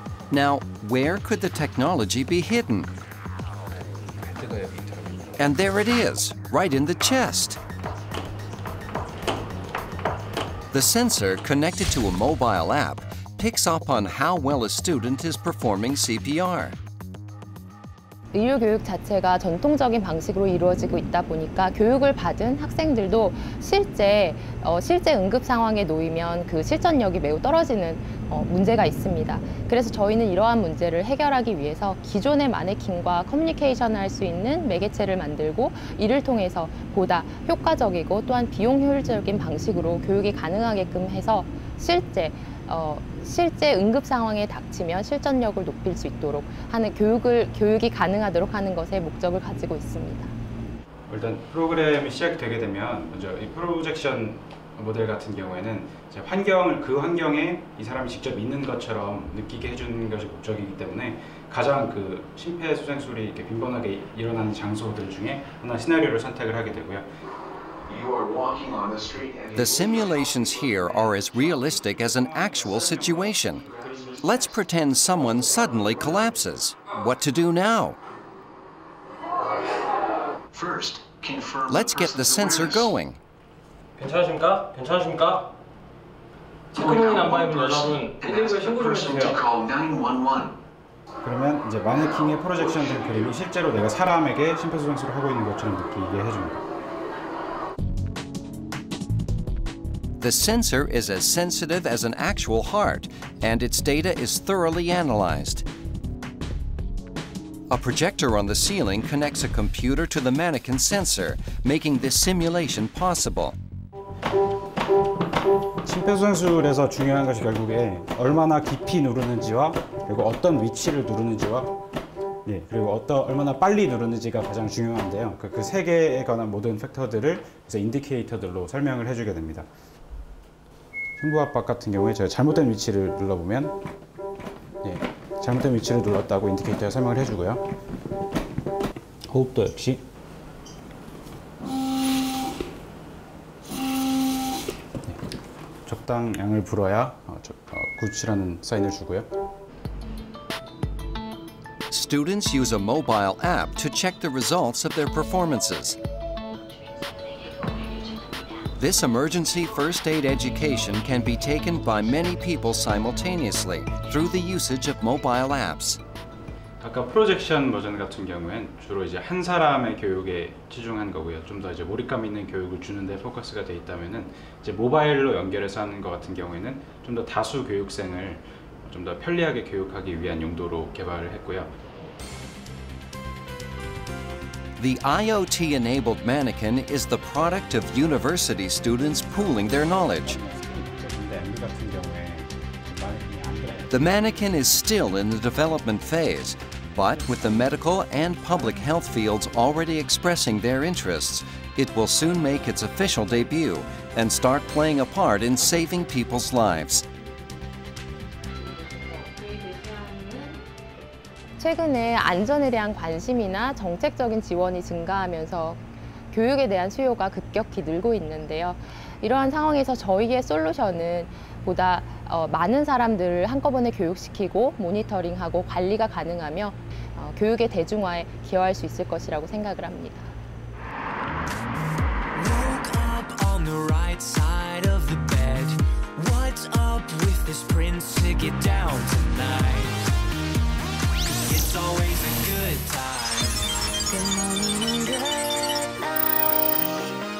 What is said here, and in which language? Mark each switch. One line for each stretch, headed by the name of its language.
English: Now, where could the technology be hidden? And there it is, right in the chest. The sensor connected to a mobile app picks up on how well a student is performing CPR.
Korean: 의료 교육 자체가 전통적인 방식으로 이루어지고 있다 보니까 교육을 받은 학생들도 실제 응급 상황에 놓이면 그 실전력이 매우 떨어지는 문제가 있습니다. 그래서 저희는 이러한 문제를 해결하기 위해서 기존의 마네킹과 커뮤니케이션을 할 수 있는 매개체를 만들고 이를 통해서 보다 효과적이고 또한 비용 효율적인 방식으로 교육이 가능하게끔 해서 실제 응급 상황에 닥치면 실전력을 높일 수 있도록 하는 교육이 가능하도록 하는 것에 목적을 가지고 있습니다. 일단 프로그램이 시작되게 되면 먼저 이 프로젝션 모델 같은 경우에는 이제 환경에 이 사람이 직접 있는 것처럼 느끼게 해주는 것이 목적이기 때문에 가장 그 심폐소생술이 이렇게 빈번하게 일어나는 장소들 중에 하나 시나리오를 선택을 하게 되고요.
English: You are walking on the street and the simulations here are as realistic as an actual situation. Let's pretend someone suddenly collapses. What to do now? First, confirm. Let's get the sensor going.
Korean: 괜찮으십니까? 괜찮으십니까? 체크인 남바이블 여러분, 119. 그러면 이제 마네킹의 프로젝션 된 그림이 실제로 내가 사람에게 심폐소생술을 하고 있는 것처럼 느끼게 해줍니다.
English: The sensor is as sensitive as an actual heart, and its data is thoroughly analyzed. A projector on the ceiling connects a computer to the mannequin sensor, making this simulation possible.
Korean: 심폐소생술에서 중요한 것이 결국에 얼마나 깊이 누르는지와 그리고 어떤 위치를 누르는지와 예 그리고 어떤 얼마나 빨리 누르는지가 가장 중요한데요. 그 세 개에 관한 모든 팩터들을 이제 인디케이터들로 설명을 해주게 됩니다. 흉부 압박 같은 경우에 제가 잘못된 위치를 눌러보면 예, 잘못된 위치를 눌렀다고 인디케이터가 설명을 해주고요. 호흡도 역시 예, 적당량을 불어야 구출하는 사인을 주고요.
English: Students use a mobile app to check the results of their performances. This emergency first aid education can be taken by many people simultaneously through the usage of mobile apps.
Korean: 아까 프로젝션 버전 같은 경우엔 주로 이제 한 사람의 교육에 치중한 거고요. 좀 더 이제 몰입감 있는 교육을 주는 데 포커스가 돼 있다면은 이제 모바일로 연결해서 하는 것 같은 경우에는 좀 더 다수 교육생을 좀 더 편리하게 교육하기 위한 용도로 개발을 했고요.
English: The IoT-enabled mannequin is the product of university students pooling their knowledge. The mannequin is still in the development phase, but with the medical and public health fields already expressing their interests, it will soon make its official debut and start playing a part in saving people's lives.
Korean: 최근에 안전에 대한 관심이나 정책적인 지원이 증가하면서 교육에 대한 수요가 급격히 늘고 있는데요. 이러한 상황에서 저희의 솔루션은 보다 많은 사람들을 한꺼번에 교육시키고 모니터링하고 관리가 가능하며 교육의 대중화에 기여할 수 있을 것이라고 생각을 합니다.
English: Woke up on the right side of the bed. What's up with this prince to get down tonight? It's always a good time. Good morning and good night.